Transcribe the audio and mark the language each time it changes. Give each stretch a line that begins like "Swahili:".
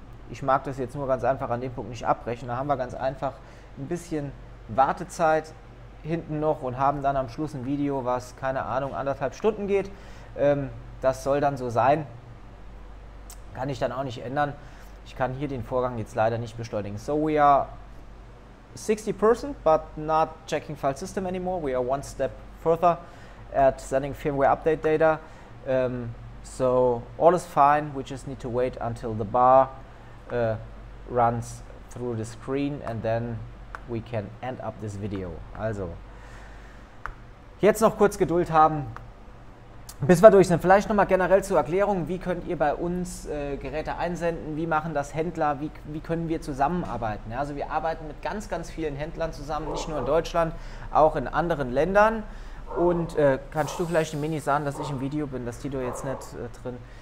German: Ich mag das jetzt nur ganz einfach an dem Punkt nicht abbrechen. Da haben wir ganz einfach ein bisschen Wartezeit hinten noch und haben dann am Schluss ein Video, was, keine Ahnung, anderthalb Stunden geht. Das soll dann so sein. Kann ich dann auch nicht ändern. Ich kann hier den Vorgang jetzt leider nicht beschleunigen.
English: So we are 60% but not checking file system anymore. We are one step further at sending firmware update data. So all is fine. We just need to wait until the bar runs through the screen and then we can end up this video.
German: Also jetzt noch kurz Geduld haben. Bis wir durch sind, vielleicht nochmal generell zur Erklärung, wie könnt ihr bei uns Geräte einsenden, wie machen das Händler, wie können wir zusammenarbeiten. Ja, also wir arbeiten mit ganz, ganz vielen Händlern zusammen, nicht nur in Deutschland, auch in anderen Ländern. Und kannst du vielleicht ein Mini sagen, dass ich im Video bin, dass Tito jetzt nicht drin